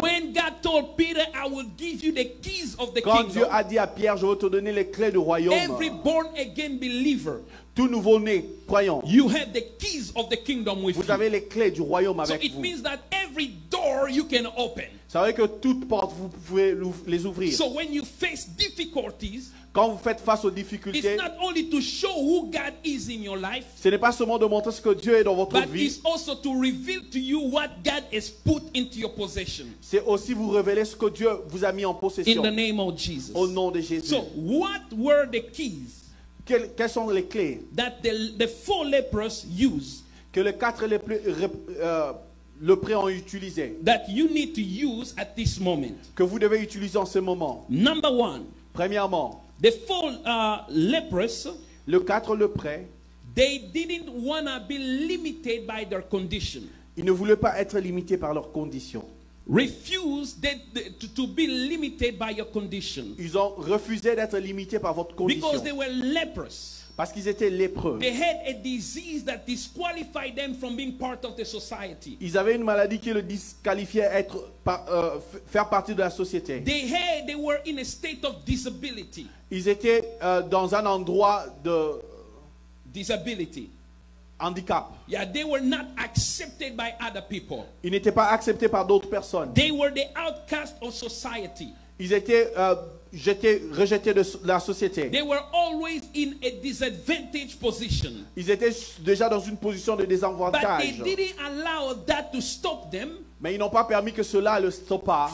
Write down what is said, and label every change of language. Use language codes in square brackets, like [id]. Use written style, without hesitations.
[en] When God told Peter, I will give you the keys of the [fr] quand [en] kingdom. [fr] Quand Dieu a dit à Pierre, je vais te donner les clés du royaume. [en] Every born again believer, [fr] tout nouveau né croyant, [en] you have the keys of the kingdom with [fr] vous avez [en] you. [fr] Les clés du royaume avec [en] so it [fr] vous. [en] Means that every door you can open. [fr] Ça veut dire que toutes portes vous pouvez les ouvrir. [en] So when you face difficulties, [fr] quand vous faites face aux difficultés, [en] it's not only to show who God is in your life, [fr] ce n'est pas seulement de montrer ce que Dieu est dans votre [en] but [fr] vie, [en] it's also to reveal to you what God has put into your possession. [fr] C'est aussi vous révéler ce que Dieu vous a mis en possession. [en] In the name of Jesus. [fr] Au nom de Jésus. [en] So, what were the keys? [fr] Quelles sont les clés? [en] That the four lepers used. [fr] Que les quatre lépreux ont utilisé. [en] That you need to use at this moment. [fr] Que vous devez utiliser en ce moment. [en] Number one. [fr] Premièrement. [en] The four lepers, [fr] le quatre lépreux, [en] they didn't wanna be limited by their condition. [fr] Ils ne voulaient pas être limités par leur condition. [en] Refuse to be limited by your condition. [fr] Ils ont refusé d'être limités par votre condition. [en] Because they were lepers. [fr] Parce qu'ils étaient lépreux. [en] They had a disease that disqualified them from being part of the society. [fr] Ils avaient une maladie qui le disqualifiait être faire partie de la société. [en] They were in a state of disability. [fr] Ils étaient dans un endroit de [en] disability. [fr] Handicap. [en] Yeah, they were not accepted by other people. [fr] Ils n'étaient pas acceptés par d'autres personnes. [en] They were the outcast of society. [fr] Ils étaient rejetés de la société. [en] They were always in a disadvantaged position. [fr] Ils étaient déjà dans une position de désavantage. [en] But they didn't allow that to stop them. [fr] Mais ils n'ont pas permis que cela le stoppa.